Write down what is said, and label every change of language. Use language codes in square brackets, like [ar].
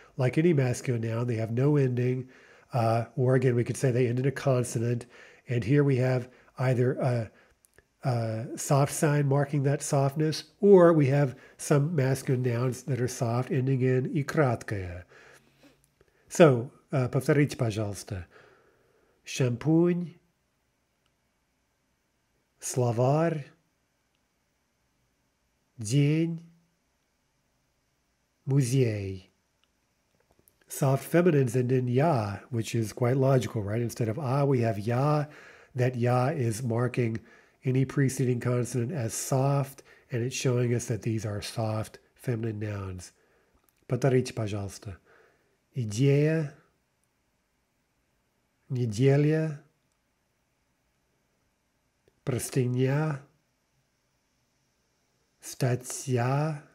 [en] Like any masculine noun, they have no ending. Or again, we could say they end in a consonant. And here we have either a soft sign marking that softness, or we have some masculine nouns that are soft, ending in ikratkaya. [ru] So, повторите, пожалуйста. Шампунь, словарь, день, музей. [en] Soft feminines end in ya, which is quite logical, right? Instead of ah, we have ya. That ya is marking any preceding consonant as soft, and it's showing us that these are soft feminine nouns. [ru] Повторите, пожалуйста. Идея, неделя, простыня, статья.